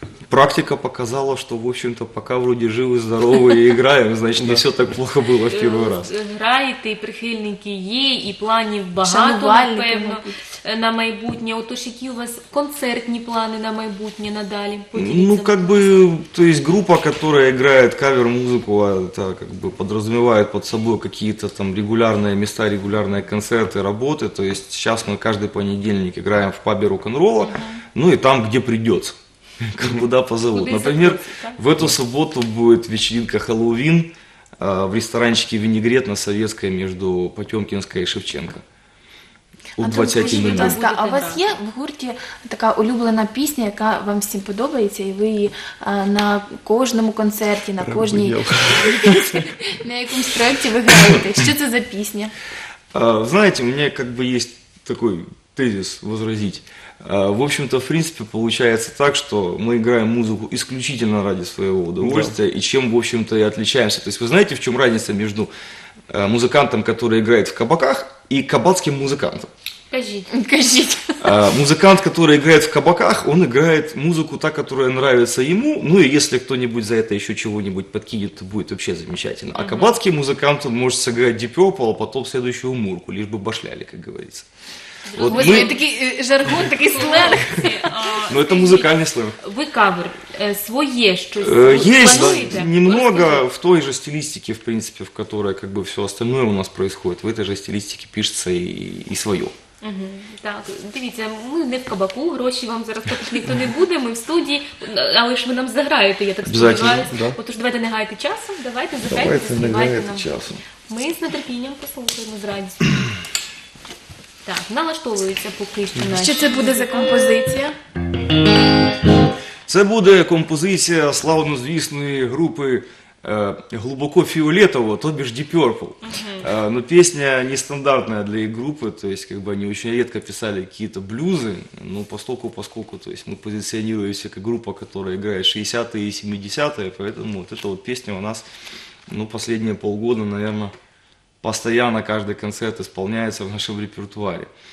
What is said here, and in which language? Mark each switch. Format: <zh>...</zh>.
<ru>Практика показала, что, в общем-то, пока вроде живы, здоровы и играем, значит, не все так плохо было в первый раз.</ru> <uk>Граєте, прихильники є, і планів багато, напевно, на майбутнє. Отож, які у вас концертні плани на майбутнє надалі?</uk> <ru>Ну, как бы, то есть группа, которая играет кавер-музыку, это как бы подразумевает под собой какие-то там регулярные места, регулярные концерты, работы. То есть сейчас мы каждый понедельник играем в пабе рок-н-ролла, ну и там, где придется. Куда позовут. Например, в эту субботу будет вечеринка Хэллоуин в ресторанчике «Винегрет» на Советской между Потемкинской и Шевченко.</ru> <uk>У 20 минут. А у вас є в гурті така улюблена пісня, яка вам всім подобається, і ви її на кожному концерті, на кожній на якомусь проєкті ви граєте? Що це за пісня? Знаєте, у мене як би є такий тезис возразити.</uk> <ru>В общем-то, в принципе, получается так, что мы играем музыку исключительно ради своего удовольствия, и чем, в общем-то, и отличаемся. То есть вы знаете, в чем разница между музыкантом, который играет в кабаках, и кабацким музыкантом? Кажите. Музыкант, который играет в кабаках, он играет музыку та, которая нравится ему, ну и если кто-нибудь за это еще чего-нибудь подкинет, то будет вообще замечательно. А кабацкий музыкант, он может сыграть Deep Purple, а потом следующую Мурку, лишь бы башляли, как говорится. Вот мы...</ru> <uk>такий жаргон, такий сленг.</uk> <ru>Ну, это музыкальный сленг.</ru> <uk>Ви кавер, своє щось плануєте?</uk> <ru>Есть, немного в той же стилистике, в принципе, в которой как бы все остальное у нас происходит, в этой же стилистике пишется и свое.</ru> <uk>Так, дивіться, ми не в кабаку, гроші вам зараз також ніхто не буде, ми в студії, але ж ви нам заграєте, я так сподіваюся.</uk> <ru>Да.</ru> <uk>Отож, давайте не гайте часом, давайте заграєте, заснімайте нам. Ми з нетерпінням послухаємо з радістю. Так, налаштовується поки що наші. Що це буде за композиція? Це буде композиція славнозвісної групи глубоко фиолетового, то бишь Deep Purple.</uk> <ru>Но песня нестандартная для их группы, то есть как бы они очень редко писали какие-то блюзы, но поскольку то есть, мы позиционируемся как группа, которая играет 60-е и 70-е, поэтому вот эта вот песня у нас последние полгода, наверное, постоянно каждый концерт исполняется в нашем репертуаре.</ru>